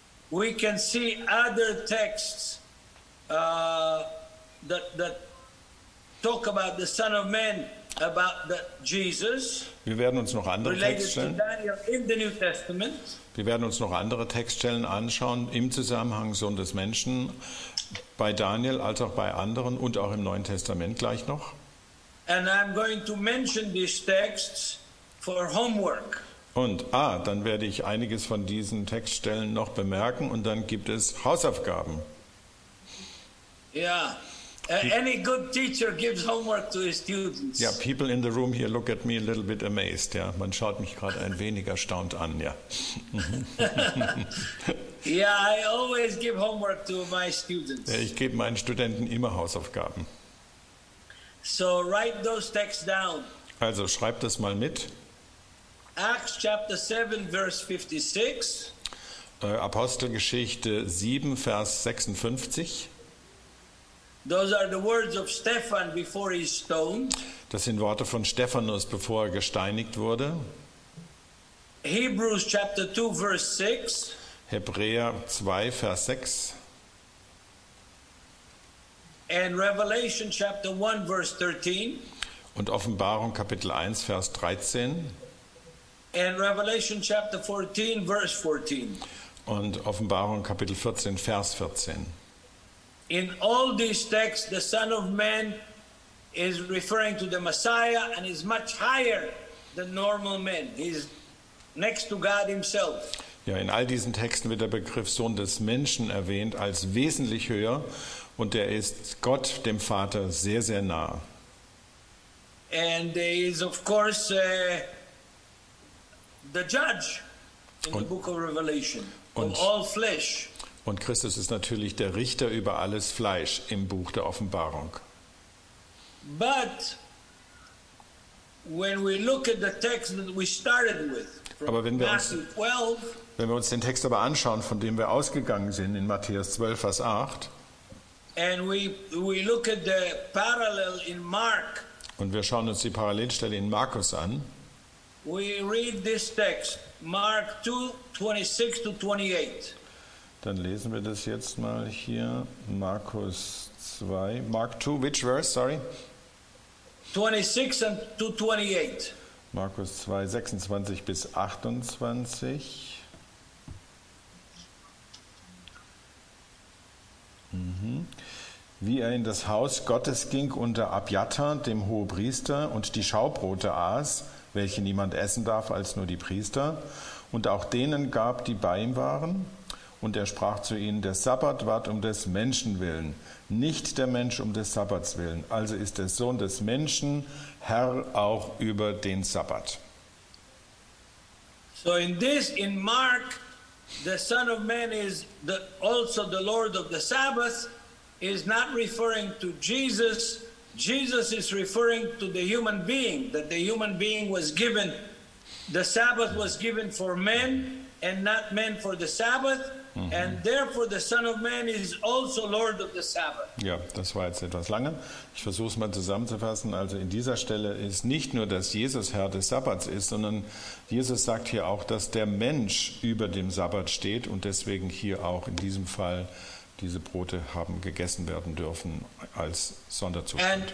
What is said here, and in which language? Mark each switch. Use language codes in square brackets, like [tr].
[en] We can see other texts that talk about the Son of Man, about the Jesus. [de] Wir werden uns noch andere Textstellen [en] in the New Testament. [de] Wir werden uns noch andere Textstellen anschauen im Zusammenhang Sohn des Menschen bei Daniel als auch bei anderen und auch im Neuen Testament gleich noch. [en] And I'm going to mention these texts for homework. [de] Und dann werde ich einiges von diesen Textstellen noch bemerken und dann gibt es Hausaufgaben. [en] Ja, any good teacher gives homework to his students. Ja, people in the room here look at me a little bit amazed. [de] Ja, man schaut mich gerade ein wenig erstaunt an. Ja. [en] Yeah, I always give homework to my students. [de] Ich gebe meinen Studenten immer Hausaufgaben. [en] So write those texts down. [de] Also schreibt das mal mit. [en] Acts chapter 7 verse 56. [de] Apostelgeschichte 7 Vers 56. [en] Those are the words of Stephen before he's stoned. [de] Das sind Worte von Stephanus, bevor er gesteinigt wurde. [en] Hebrews chapter 2 verse 6. [de] Hebräer 2 Vers 6. [en] And Revelation chapter 1 verse 13. [de] Und Offenbarung Kapitel 1 Vers 13. [en] And Revelation chapter 14 verse 14. [de] Und Offenbarung Kapitel 14 Vers 14. [en] In all these texts the Son of Man is referring to the Messiah and is much higher than normal men. He's next to God himself. [de] Ja, in all diesen Texten wird der Begriff Sohn des Menschen erwähnt als wesentlich höher und er ist Gott dem Vater sehr sehr nah. [en] And he is of course the judge in the book of Revelation of all flesh. [de] Und Christus ist natürlich der Richter über alles Fleisch im Buch der Offenbarung. [en] But when we look at the text that we started with, [de] aber wenn wir uns den Text aber anschauen, von dem wir ausgegangen sind in Matthäus 12, Vers 8, [en] and we look at the parallel in Mark, [de] und wir schauen uns die Parallelstelle in Markus an, [en] we read this text, Mark 2, 26 to 28. [de] Dann lesen wir das jetzt mal hier, Markus 2, [en] Mark 2, which verse, sorry? 26 and to 28. [de] Markus 2, 26 bis 28. Wie er in das Haus Gottes ging unter Abjata, dem Hohepriester, und die Schaubrote aß, welche niemand essen darf als nur die Priester, und auch denen gab, die bei ihm waren. Und er sprach zu ihnen, der Sabbat ward um des Menschen willen, nicht der Mensch um des Sabbats willen. Also ist der Sohn des Menschen Herr auch über den Sabbat. [en] So in this, in Mark, the Son of Man is the, also the Lord of the Sabbath, is not referring to Jesus. Jesus is referring to the human being, that the human being was given, the Sabbath was given for men and not men for the Sabbath. Mm-hmm. And therefore the Son of Man is also Lord of the Sabbath. [de] Ja, das war jetzt etwas lange. Ich versuche es mal zusammenzufassen. Also in dieser Stelle ist nicht nur, dass Jesus Herr des Sabbats ist, sondern Jesus sagt hier auch, dass der Mensch über dem Sabbat steht und deswegen hier auch in diesem Fall diese Brote haben gegessen werden dürfen als Sonderzustand.